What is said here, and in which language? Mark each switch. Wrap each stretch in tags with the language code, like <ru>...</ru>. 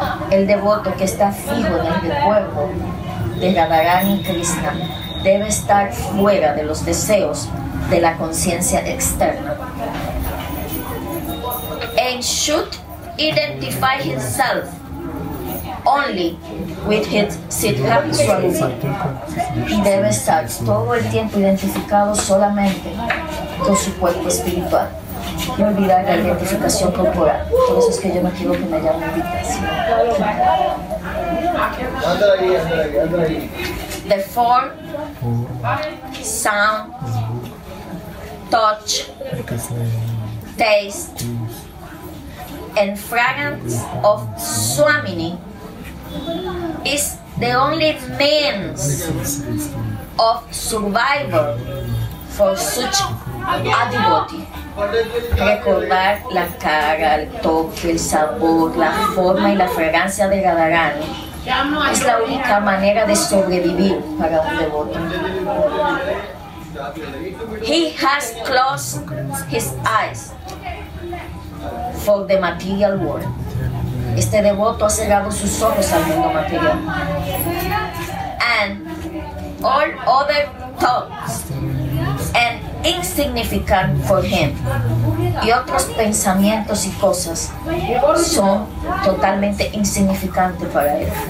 <es>El devoto que está fijo en el cuerpo de Radharani Krishna debe estar fuera de los deseos de la conciencia externa.</es> <en>And should identify himself only with his Siddha Swarupa.</en> <es>Debe estar todo el tiempo identificado solamente con su cuerpo espiritual. Y olvidar la identificación corporal. Por eso es que yo no quiero que me llamen meditación.</es> <en>The form, sound, touch, taste, and fragrance of Swamini is the only means of survival for such a devotee.</en> <es>Recordar la cara, el toque, el sabor, la forma y la fragancia de Radharani es la única manera de sobrevivir para un devoto.</es> <en>He has closed his eyes for the material world.</en> <es>Este devoto ha cerrado sus ojos al mundo material.</es> <en>And all other thoughts and insignificant for him.</en> <es>Y otros pensamientos y cosas son totalmente insignificantes para él.</es>